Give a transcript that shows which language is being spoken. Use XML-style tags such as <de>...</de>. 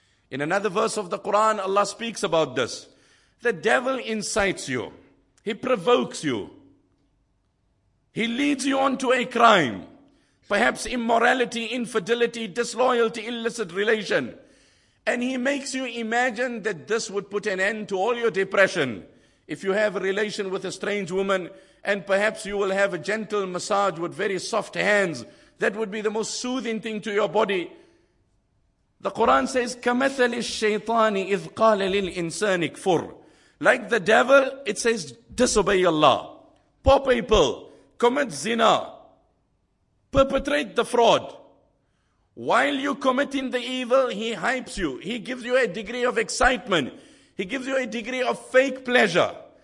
<en>In another verse of the Quran, Allah speaks about this. The devil incites you, he provokes you, he leads you on to a crime, perhaps immorality, infidelity, disloyalty, illicit relation. And he makes you imagine that this would put an end to all your depression. If you have a relation with a strange woman, and perhaps you will have a gentle massage with very soft hands, that would be the most soothing thing to your body. The Quran says,</en> <ar>كَمَثَلِ الشَّيْطَانِ إِذْ قَالَ لِلْإِنسَانِ كْفُرْ.</ar> <en>Like the devil, it says, disobey Allah. Pop a pill, commit zina, perpetrate the fraud. While you're committing the evil, he hypes you. He gives you a degree of excitement. He gives you a degree of fake pleasure.</en>